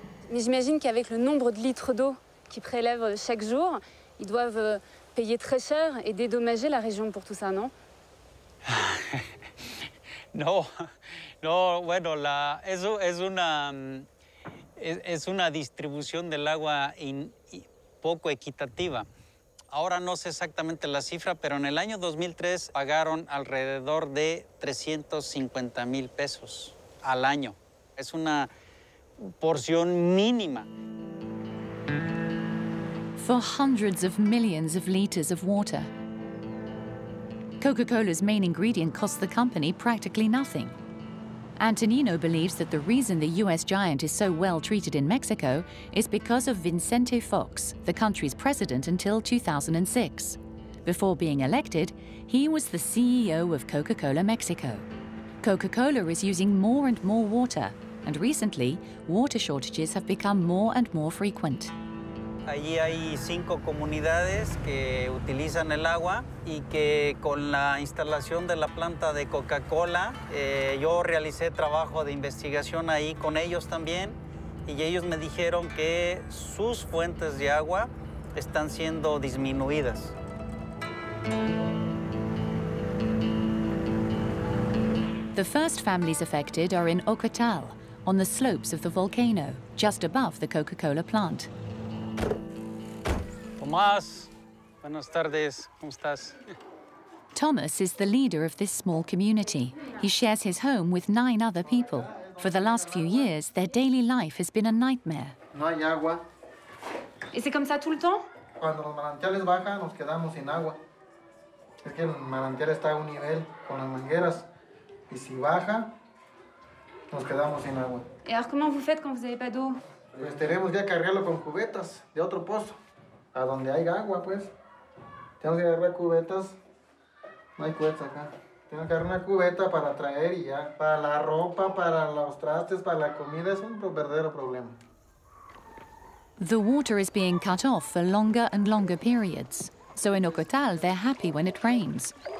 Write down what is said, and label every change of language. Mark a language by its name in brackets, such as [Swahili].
[French] Mais j'imagine qu'avec le nombre de litres d'eau qu'ils prélèvent chaque jour, ils doivent payer très cher et dédommager la région pour tout ça, non? Non. [Spanish] Non, bueno, la eso es una es una distribución del agua in, poco equitativa. Ahora no sé exactamente la cifra, pero en el año 2003 pagaron alrededor de 350 mil pesos al año. Es una porción mínima. [English] For hundreds of millions of liters of water, Coca-Cola's main ingredient costs the company practically nothing. Antonino believes that the reason the U.S. giant is so well treated in Mexico is because of Vicente Fox, the country's president until 2006. Before being elected, he was the CEO of Coca-Cola Mexico. Coca-Cola is using more and more water, and recently, water shortages have become more and more frequent. [Spanish] Allí hay cinco comunidades que utilizan el agua y que con la instalación de la planta de Coca-Cola, yo realicé trabajo de investigación ahí con ellos también y ellos me dijeron que sus fuentes de agua están siendo disminuidas. [English] The first families affected are in Ocotal, on the slopes of the volcano, just above the Coca-Cola plant. [Spanish] Tomás, buenas tardes, ¿cómo estás? [English] Thomas is the leader of this small community. He shares his home with nine other people. For the last few years, their daily life has been a nightmare. [Spanish] No hay agua. [French] ¿Y c'est comme ça tout le temps? [Spanish] Cuando los manantiales bajan, nos quedamos sin agua. Es que el manantial está a un nivel con las mangueras. Y si baja, nos quedamos sin agua. ¿Y ahora cómo vous faites cuando vous n'avez pas d'eau? Pues tenemos que cargarlo con cubetas de otro pozo. A donde hay agua, pues. Tenemos que agarrar cubetas. No hay cubetas acá. Tengo que agarrar una cubeta para traer y ya. Para la ropa, para los trastes, para la comida, es un verdadero problema. [English] The water is being cut off for longer and longer periods. So in Ocotal, they're happy when it rains.